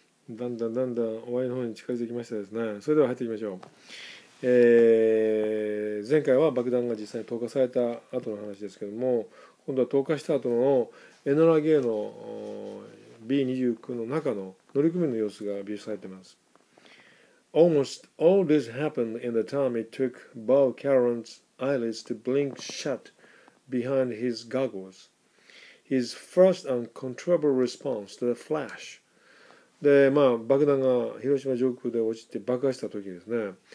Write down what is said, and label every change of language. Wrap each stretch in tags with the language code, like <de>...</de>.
<ja>だんだんだんだん終わりの方に近づいてきましたですね。それでは入っていきましょう。前回は爆弾が実際に投下された後の話ですけども、今度は投下した後のエノラゲイの B29 の中の乗組員の様子が描写されています。</ja> <en>Almost all this happened in the time it took Beau Caron's eyelids to blink shutBehind his goggles, his first uncontrollable response to the flash.</en> <ja>で、まあ爆弾が広島上空で落ちて爆破した時ですね。</ja>